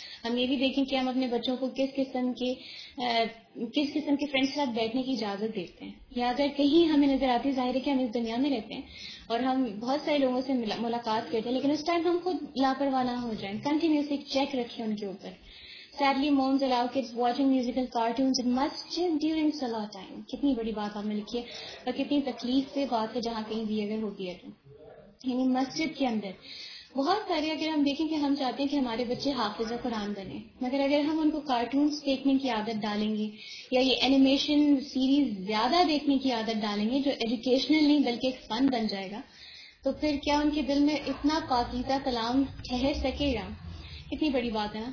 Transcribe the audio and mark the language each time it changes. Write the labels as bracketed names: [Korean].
[Urdu] ہم یہ بھی دیکھیں کہ ہم اپنے بچوں کو کس قسم کے فرینڈس کے ساتھ بیٹھنے کی اجازت دیتے ہیں، یا اگر کہیں ہمیں نظر آتی ہے، ظاہر ہے کہ ہم اس دنیا میں رہتے ہیں اور ہم بہت سارے لوگوں سے ملاقات کرتے ہیں، لیکن اس ٹائم ہم خود لاپرواہ نہ ہو جائیں، کنٹینیوس ایک چیک رکھیں ان کے اوپر. [English] Sadly, moms allow kids watching musical cartoons in masjid during salah time. [Urdu] کتنی بڑی بات آپ نے لکھی ہے، اور کتنی تکلیف سے بات ہے جہاں کہیں بھی اگر ہوتی ہے تو، یعنی مسجد کے اندر. بہت سارے اگر ہم دیکھیں کہ ہم چاہتے ہیں کہ ہمارے بچے حافظ قرآن بنے، مگر اگر ہم ان کو کارٹونس دیکھنے کی عادت ڈالیں گے یا یہ اینیمیشن سیریز زیادہ دیکھنے کی عادت ڈالیں گے جو ایجوکیشنل نہیں بلکہ ایک فن بن جائے گا، تو پھر کیا ان کے دل میں اتنا پاکیزہ کلام ٹھہر سکے گا؟ کتنی بڑی بات ہے نا.